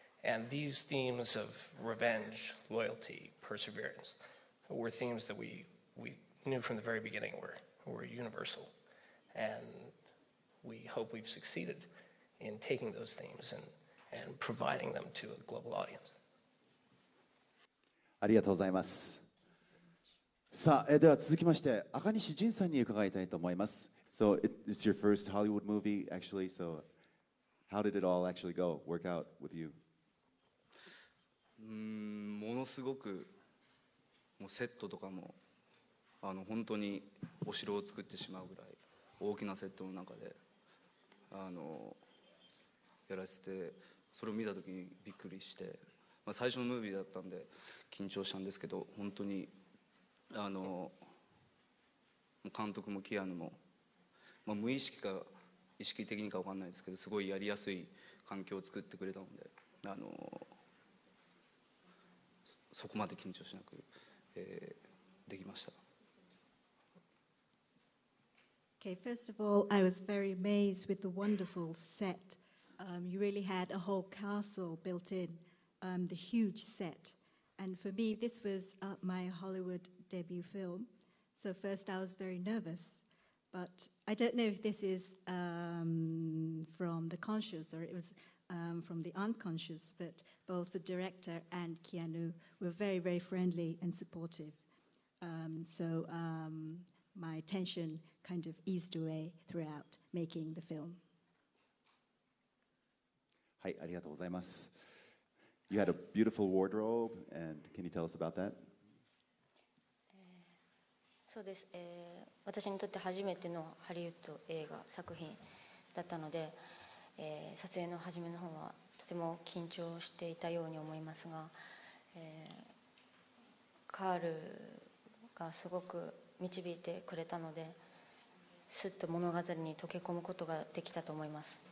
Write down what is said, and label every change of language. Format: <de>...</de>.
<en>And these themes of revenge, loyalty, perseverance were themes that we knew from the very beginning were universal. And we hope we've succeeded in taking those themes and providing them to a global audience.</en> <ja>ありがとうございます。さあ、では続きまして、赤西仁さんに伺いたいと思います。</ja> <en>So, it's your first Hollywood movie, actually. So, how did it all actually go, work out with you?</en> <ja>ものすごく、もうセットとかも、本当にお城を作ってしまうぐらい、大きなセットの中で、やらせて、それを見たときにびっくりして、まあ、最初のムービーだったんで緊張したんですけど、本当に監督もキアヌも、まあ、無意識か意識的にか分かんないですけど、すごいやりやすい環境を作ってくれたので、そこまで緊張しなく、できました。</ja> <en>Okay, first of all, I was very amazed with the wonderful set. You really had a whole castle built in, the huge set. And for me, this was my Hollywood debut film. So first I was very nervous, but I don't know if this is from the conscious or it was from the unconscious, but both the director and Keanu were very, very friendly and supportive. My attention kind of eased away throughout making the film.</en> <ja>Hi, ありがとうございます。</ja> <en>You had a beautiful wardrobe, and can you tell us about that?</en> <ja>そうです。私にとって初めてのハリウッド映画作品だったので、撮影の初めの方はとても緊張していたように思いますが、カールがすごく導いてくれたので、すっと物語に溶け込むことができたと思います。</ja>